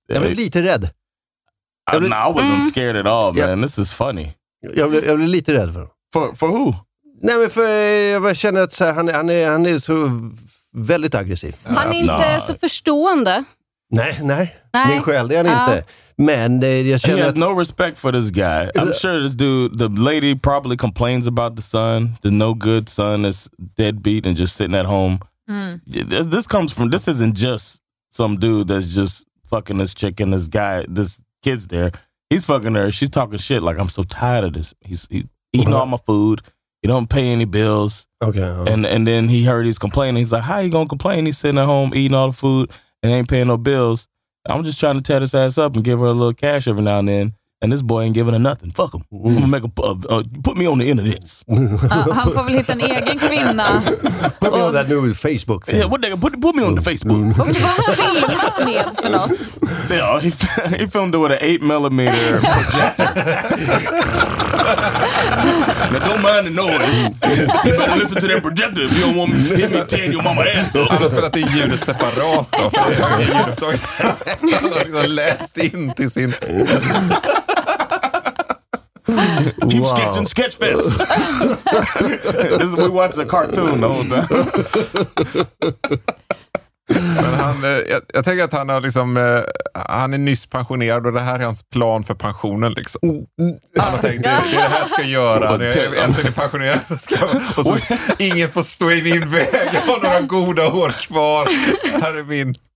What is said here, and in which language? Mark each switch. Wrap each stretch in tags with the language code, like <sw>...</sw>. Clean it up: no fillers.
<sv>Jag blev lite rädd.</sv> <en>I wasn't scared at all, man. Yeah. This is funny.</en> <sv>Jag blev lite rädd för honom.</sv> <en>For who?</en> <sv>Nej, men för jag känner att så här, han är så väldigt aggressiv. Han är inte så förstående. Nej. Min själ, det är han inte. Men jag känner</sv> <en>att... He has no respect for this guy. I'm sure this dude, the lady probably complains about the son. The no good son is deadbeat and just sitting at home. Mm. This isn't just some dude that's just fucking this chick and this guy, this kid's there. He's fucking her. She's talking shit like, I'm so tired of this. He's eating all my food. He don't pay any bills. Okay. And then he heard he's complaining. He's like, how you gonna complain? He's sitting at home eating all the food and ain't paying no bills. I'm just trying to tear this ass up and give her a little cash every now and then. And this boy ain't giving her nothing. Fuck him. I'm gonna make put me on the internet.</en> <sv>Han får väl hitta en egen kvinna.</sv> <en>Put me on that new Facebook thing. Yeah, what nigga? Put me on the Facebook.</en> <sv>Och vad har han filmat med för något?</sv> <en>Ja, he filmed it with an 8mm projector. Now don't mind the noise. You better listen to that projector if you don't want me to hit me tearing your mama ass up.</en> <sv>Han har spelat in ljudet separat då. För det är en ljudupptag. Han har liksom läst in till sin...</sv> <en>Keep sketching Sketchfest. This is we watch a cartoon the whole time.</en> <sv>Men jag tänker att han har liksom han är nyss pensionerad och det här är hans plan för pensionen liksom. Han har tänkt det här ska göra. Äntligen pensionerad ska och så ingen får stå i min väg. Jag har några goda år kvar. Här är min.</sv>